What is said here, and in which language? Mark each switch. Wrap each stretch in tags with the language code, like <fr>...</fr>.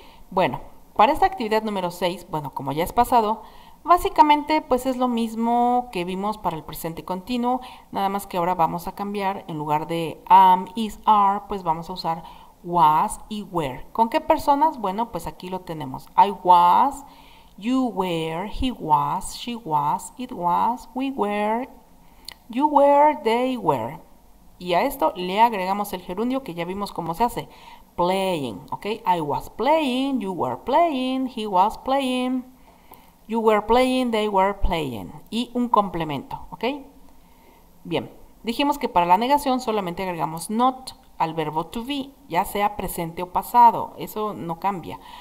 <es>Bueno, para esta actividad número 6, bueno, como ya es pasado, básicamente pues es lo mismo que vimos para el presente continuo, nada más que ahora vamos a cambiar, en lugar de am, is, are, pues vamos a usar was y were. ¿Con qué personas? Bueno, pues aquí lo tenemos.</es> <en>I was, you were, he was, she was, it was, we were, you were, they were.</en> <es>Y a esto le agregamos el gerundio que ya vimos cómo se hace.</es> <en>Playing, ¿ok? I was playing, you were playing, he was playing, you were playing, they were playing.</en> <es>Y un complemento, ¿ok? Bien, dijimos que para la negación solamente agregamos not al verbo to be, ya sea presente o pasado, eso no cambia.</es>